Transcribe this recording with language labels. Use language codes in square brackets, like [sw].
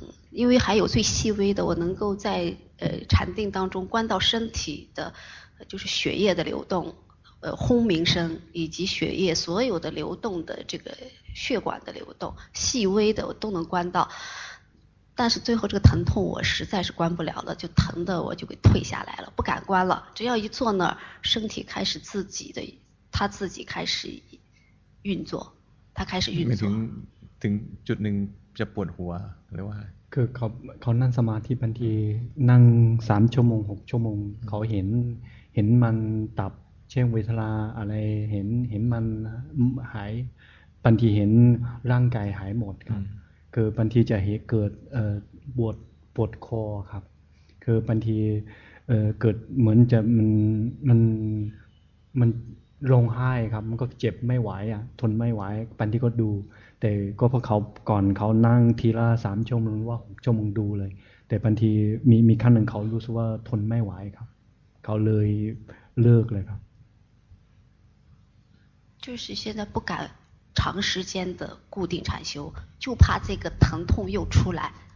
[zh] 因为还有最细微的，我能够在禅定当中观到身体的，就是血液的流动，轰鸣声以及血液所有的流动的这个血管的流动，细微的我都能观到，但是最后这个疼痛我实在是观不了了，就疼的我就给退下来了，不敢观了。只要一坐那儿，身体开始自己的，它自己开始运作，它开始运作。 [th] ถึงจุดหนึ่งจะปวดหัวหรือว่า คือเขานั่งสมาธิบางทีนั่ง3 ชั่วโมง6 ชั่วโมงเขาเห็นมันตับเช่นเวทนาอะไรเห็นมันหายบางทีเห็นร่างกายหายหมดครับคือบางทีจะเกิด ปวดคอครับคือบางทีเกิดเหมือนจะมันร้องไห้ครับมันก็เจ็บไม่ไหวอ่ะทนไม่ไหวบางทีก็ดูแต่ก็เพราะเขาก่อนเขานั่งทีละ3 ชั่วโมงว่า6 ชั่วโมงดูเลยแต่บางทีมีขั้นหนึ่งเขารู้สึกว่าทนไม่ไหวครับเขาเลยเลิกเลยครับ [zh] 就是现在不敢长时间的固定禅修就怕这个疼痛又出来